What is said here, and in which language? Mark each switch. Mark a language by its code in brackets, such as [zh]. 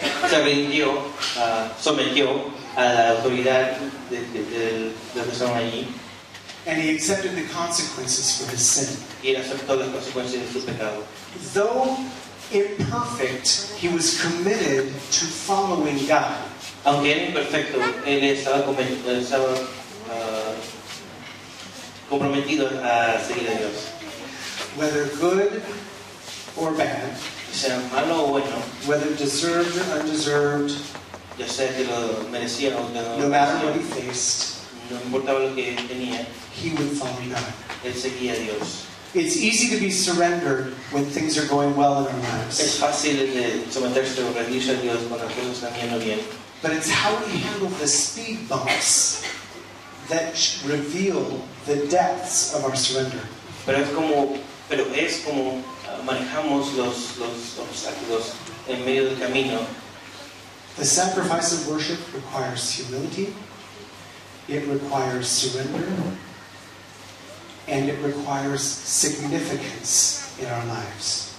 [es] David se sometió a la autoridad de los que estaban allí. [en] And he accepted the consequences for his sin. [es] Y él aceptó las consecuencias de su pecado. [en] Though imperfect, he was committed to following God. [es] Aunque era imperfecto, él estaba comprometido a seguir a Dios. [en] Whether good or bad, [es] sea malo o bueno, [en] whether deserved or undeserved, [es] ya sea que lo merecía o que [en] no matter what he faced, [es] no importaba lo que tenía, [en] he would follow God. [es] Él seguía a Dios. [en] It's easy to be surrendered when things are going well in our lives. [es] Es fácil de someterse o rendirse a Dios cuando las cosas están yendo bien. [en] But it's how we handle the speed bumps that reveal the depths of our surrender. [es] Pero es como manejamos los obstáculos en medio del camino. [en] The sacrifice of worship requires humility, it requires surrender, and it requires significance in our lives.